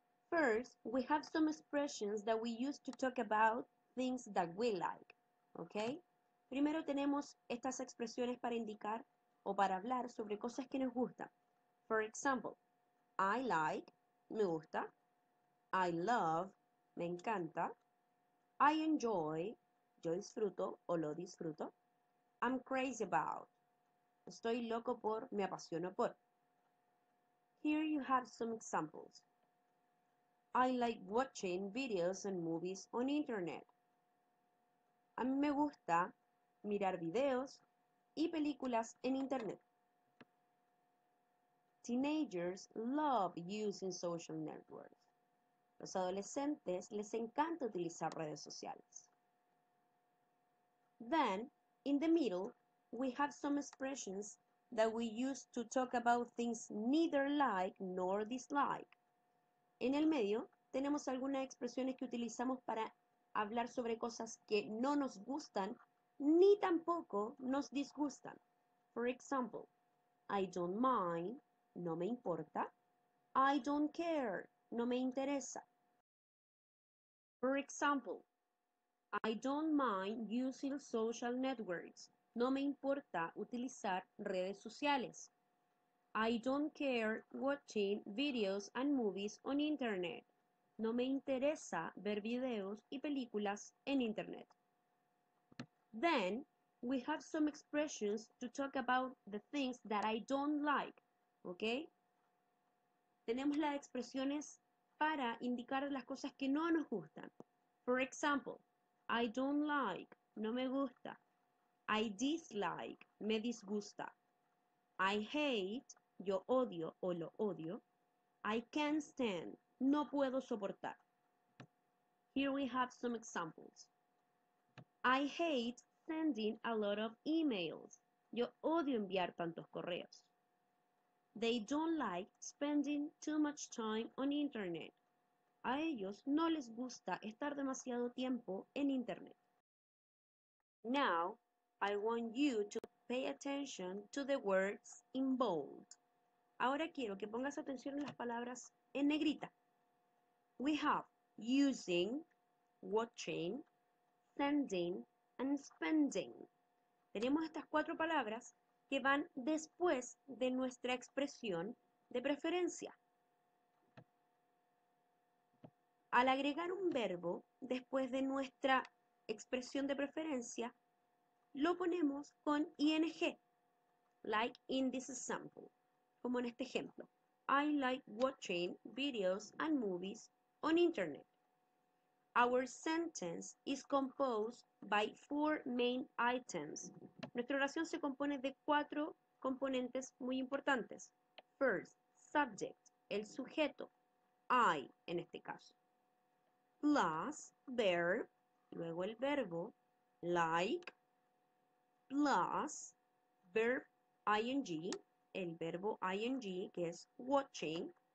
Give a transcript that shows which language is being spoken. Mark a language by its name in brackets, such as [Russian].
[English] First, we have some expressions that we use to talk about things that we like. Okay? [Spanish] Primero tenemos estas expresiones para indicar o para hablar sobre cosas que nos gustan. [English] For example, I like, [Spanish] me gusta. [English] I love, [Spanish] me encanta. [English] I enjoy, [Spanish] yo disfruto o lo disfruto. [English] I'm crazy about. [Spanish] Estoy loco por, me apasiono por. [English] Here you have some examples. I like watching videos and movies on internet. [Spanish] A mí me gusta mirar videos y películas en internet. [English] Teenagers love using social networks. [Spanish] Los adolescentes les encanta utilizar redes sociales. [English] Then, in the middle, we have some expressions that we use to talk about things neither like nor dislike. [Spanish] En el medio, tenemos algunas expresiones que utilizamos para hablar sobre cosas que no nos gustan ni tampoco nos disgustan. [English] For example, I don't mind, [Spanish] no me importa. [English] I don't care, [Spanish] no me interesa. [English] For example, I don't mind using social networks. [Spanish] No me importa utilizar redes sociales. [English] I don't care watching videos and movies on internet. [Spanish] No me interesa ver videos y películas en internet. [English] Then, we have some expressions to talk about the things that I don't like. Okay? [Spanish] Tenemos las expresiones para indicar las cosas que no nos gustan. [English] For example, I don't like, [Spanish] no me gusta. [English] I dislike, [Spanish] me disgusta. [English] I hate, [Spanish] yo odio o lo odio. [English] I can't stand, [Spanish] no puedo soportar. [English] Here we have some examples. I hate sending a lot of emails. [Spanish] Yo odio enviar tantos correos. [English] They don't like spending too much time on internet. [Spanish] A ellos no les gusta estar demasiado tiempo en internet. [English] Now, I want you to pay attention to the words in bold. [Spanish] Ahora quiero que pongas atención en las palabras en negrita. [English] We have using, watching, sending, and spending. [Spanish] Tenemos estas cuatro palabras que van después de nuestra expresión de preferencia. Al agregar un verbo después de nuestra expresión de preferencia, lo ponemos con ing, [English] like in this example, [Spanish] como en este ejemplo. [English] I like watching videos and movies on internet. Our sentence is composed by four main items. [Spanish] Nuestra oración se compone de cuatro componentes muy importantes. [English] First, subject, [Spanish] el sujeto, I en este caso. [English] Plus, verb, [Spanish] luego el verbo, [English] like. Plus, verb ing, [Spanish] el verbo ing que es watching.